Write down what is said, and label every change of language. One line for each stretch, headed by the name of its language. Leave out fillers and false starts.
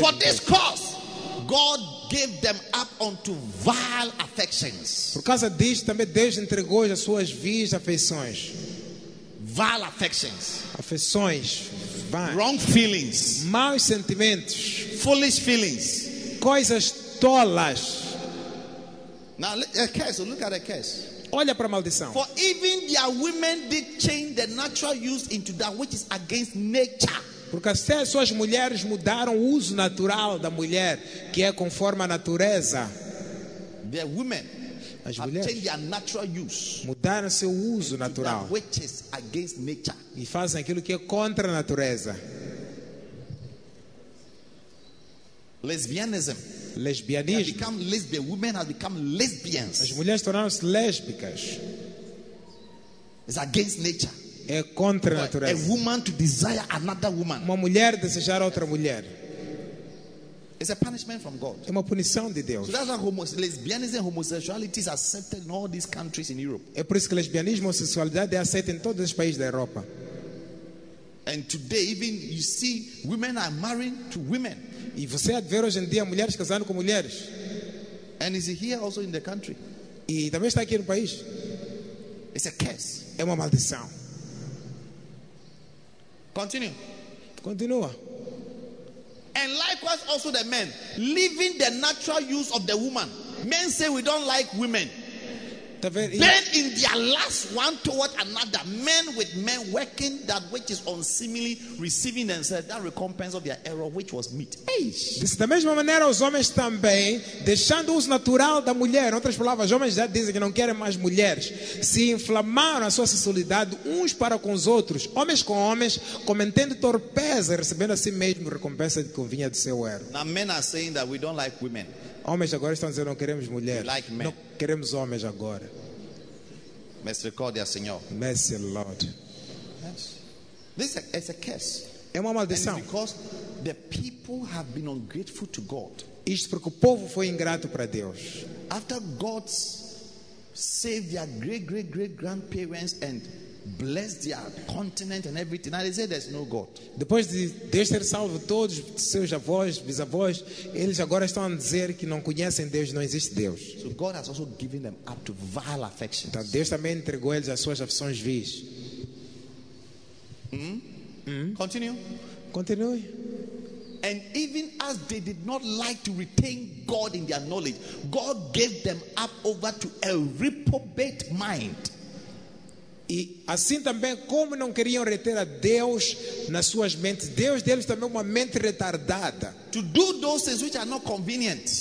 English: For this cause, God gave them up unto vile affections.
Portuguese: Por causa disso, também Deus entregou as suas vis afeições.
English: Vile affections.
Portuguese: Afeições vãs.
English: Wrong feelings.
Portuguese: Maus sentimentos.
English: Foolish feelings.
Portuguese: Coisas tolas.
English: Now, a curse. Look at a curse.
Portuguese: Olha para a maldição.
English: For even their women did change the natural use into that which is against nature.
Portuguese: Porque até as suas mulheres mudaram o uso natural da mulher, que é conforme a natureza.
English: Their women.
Portuguese: As mulheres
English: change their natural use.
Portuguese: Mudaram seu uso natural.
English: Which is against nature.
Portuguese: E fazem aquilo que é contra a natureza.
English: Lesbianism.
Portuguese: Lesbianismo.
English: They become lesbian. Women have become lesbians.
Portuguese: As mulheres tornaram-se lésbicas.
English: It's against nature.
Portuguese: É contra a natureza.
English: A woman to desire another woman.
Portuguese: Uma mulher desejar outra mulher.
English: It's a punishment from God.
Portuguese: É uma punição de Deus.
English: So that's why lesbianism and homosexuality is accepted in all these countries in Europe.
Portuguese: É por isso que lesbianismo e homossexualidade é aceito em todos os países da Europa.
English: And today, even you see, women are married to women.
Portuguese: E você vê hoje em dia mulheres casando com mulheres.
English: And is it here also in the country?
Portuguese: E também está aqui no país.
English: It's a curse.
Portuguese: É uma maldição.
English: Continue.
Portuguese: Continua.
English: And likewise also the men, leaving the natural use of the woman. Men say we don't like women. Men in their last one toward another, men with men working that which is unseemly, receiving themselves that recompense of their error which was meet.
Portuguese: Da mesma maneira os homens também, deixando o uso natural da mulher, em outras palavras, os homens já dizem que não querem mais mulheres, se inflamaram a sua sexualidade uns para com os outros, homens com homens, cometendo torpeza, recebendo a si mesmo recompensa que convinha de seu erro.
English: Now men are saying that we don't like women.
Portuguese: Homens agora estão dizendo não queremos mulheres.
English: We like men.
Portuguese: Não queremos homens agora. Misericórdia, Senhor.
English: Mercy, Lord. Yes. This is a curse.
Portuguese: É uma maldição.
English: And because the people have been ungrateful to God.
Portuguese: Isto porque o povo foi ingrato para Deus.
English: After God saved their great great great grandparents and blessed their continent and everything, now they say there's no God.
Portuguese: Depois de Deus ter salvo todos seus avós, bisavós, eles agora estão a dizer que não conhecem Deus, não existe Deus.
English: So God has also given them up to vile affections.
Portuguese: Então Deus também entregou eles às suas afeições vis.
English: Continue. And even as they did not like to retain God in their knowledge, God gave them up over to a reprobate mind.
Portuguese: E assim também, como não queriam reter a Deus nas suas mentes, Deus deles também uma mente retardada.
English: To do those things which are not convenient.